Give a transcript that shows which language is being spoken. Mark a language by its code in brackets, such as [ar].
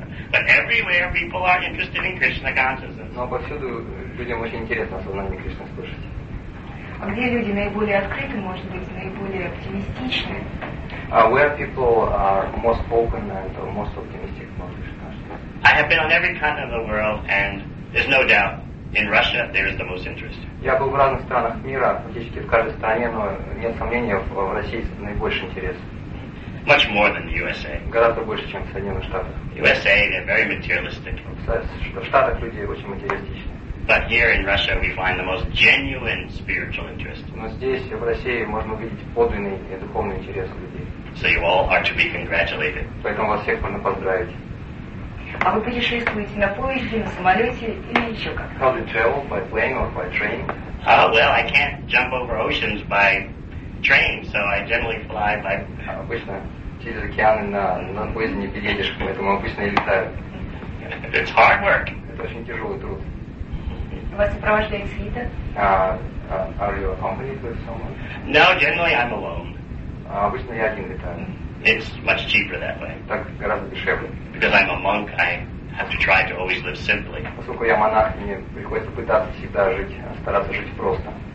[en] But everywhere people are interested in Krishna consciousness. [ru] Но повсюду людям очень интересно осознание Кришны слышать. А где люди наиболее открыты, может быть, наиболее оптимистичны? [en] Where people are most open and most optimistic about Krishna. I have been on every continent of the world, and there's no doubt in Russia there is the most interest. [ru] Я был в разных странах мира, практически в каждой стране, но нет сомнения, в России наибольший интерес. [en] Much more than the USA. [ru] Гораздо больше, чем в Соединенных Штатах. [en] USA, they're very materialistic. [ru] В Штатах люди очень материалистичны. [en] But here in Russia we find the most genuine spiritual interest. [ru] Но здесь, в России, можно увидеть подлинный и духовный интерес у людей. [en] So you all are to be congratulated. [ru] Поэтому вас всех можно поздравить. А вы путешествуете на поезде, на самолете или еще как? [en] How do you travel? By plane or by train? Well, I can't jump over oceans by train, so I generally fly by... [ru] Обычно через океаны на поезде не переедешь, поэтому обычно я летаю. [en] It's hard work. [ru] Это очень тяжелый труд. Вас сопровождает свита? [en] Are you accompanied with someone? No, generally I'm alone. [ru] Обычно я один летаю. [en] It's much cheaper that way. [ru] Так гораздо дешевле. [en] Because I'm a monk, I have to try to always live simply. [ru] Поскольку я монах, мне приходится пытаться всегда жить, стараться жить просто.